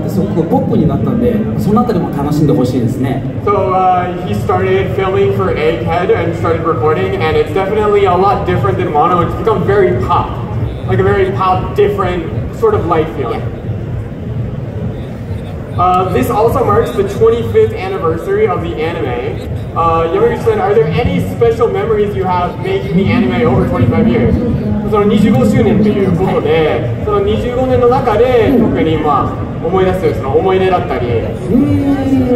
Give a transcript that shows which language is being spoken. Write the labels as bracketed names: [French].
[Japanese] そうですね、あの、エッグヘッド編収録も始まりまして、あの、ワノ国とやっぱりガラッと変わってすごくポップになったんで、その辺りも楽しんでほしいですね。 [English] So, he started filming for Egghead and started reporting, and it's definitely a lot different than Wano. It's become very pop, like a very pop, different sort of light feeling. Yeah. This also marks the 25th anniversary of the anime. Yamaguchi-san, are there any special memories you have making the anime over 25 years? [Japanese] その 25周年ということで、 その 25年の中で特に思い出すその思い出だったり。